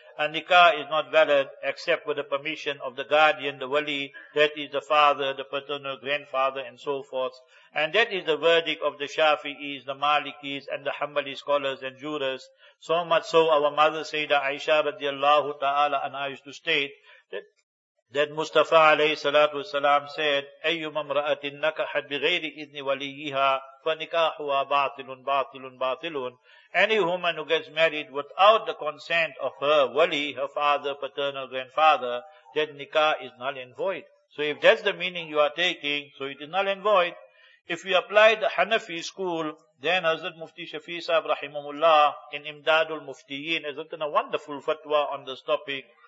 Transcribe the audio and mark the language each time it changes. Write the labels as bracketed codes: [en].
[en] A nikah is not valid except with the permission of the guardian, the wali, that is the father, the paternal grandfather, and so forth. And that is the verdict of the Shafi'is, the Malikis, and the Hanbali scholars and jurors. So much so, our mother Sayyida Aisha radiallahu ta'ala anha used to state that Then Mustafa alayhi salatu wasalam said, [ar] أَيُّمَ امْرَأَةٍ نَكَحَتْ بِغَيْرِ إِذْنِ وَلِيِّهَا فَنِكَاحُهَا بَاطِلٌ بَاطِلٌ بَاطِلٌ. [en] Any woman who gets married without the consent of her wali, her father, paternal grandfather, then nikah is null and void. So if that's the meaning you are taking, so it is null and void. If we apply the Hanafi school, then Hazrat Mufti Shafi Sahib Rahimahullah in Imdadul Muftiyin has written a wonderful fatwa on this topic.